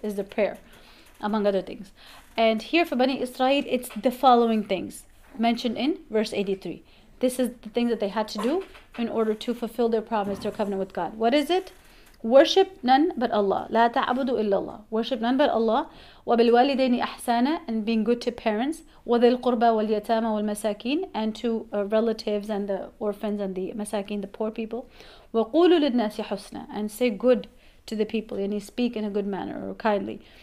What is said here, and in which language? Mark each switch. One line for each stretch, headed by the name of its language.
English: Is the prayer, among other things. And here for Bani Israel, it's the following things mentioned in verse 83. This is the thing that they had to do in order to fulfill their promise, their covenant with God. What is it? Worship none but Allah.
Arabic: لا تعبدوا إلا الله.
English: Worship none but Allah.
Arabic: وبالوالدين إحسانا.
English: And being good to parents.
Arabic: وذي القربى واليتامى والمساكين.
English: And to relatives and the orphans and the مساكين, the poor people.
Arabic: وقولوا للناس حسنا.
English: And say good to the people. يعني speak in a good manner or kindly.